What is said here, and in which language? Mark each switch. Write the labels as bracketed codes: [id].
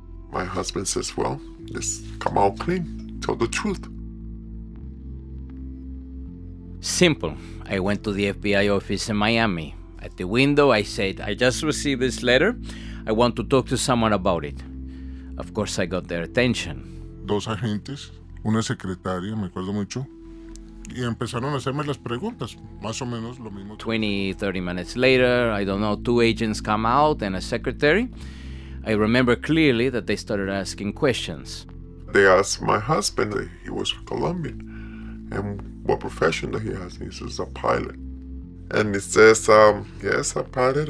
[en] My husband says, well, let's come out clean. Tell the truth. Simple. I went to the FBI office in Miami. At the window, I said, I just received this letter. I want to talk to someone about it. Of course, I got their attention. [es] Dos agentes, una secretaria, me acuerdo mucho. Y empezaron a hacerme las preguntas, más o menos lo mismo. [en] 20, 30 minutes later, I don't know, two agents come out and a secretary. I remember clearly that they started asking questions. They asked my husband, he was Colombian, and what profession that he has. He says, a pilot. And he says, yes, a pilot.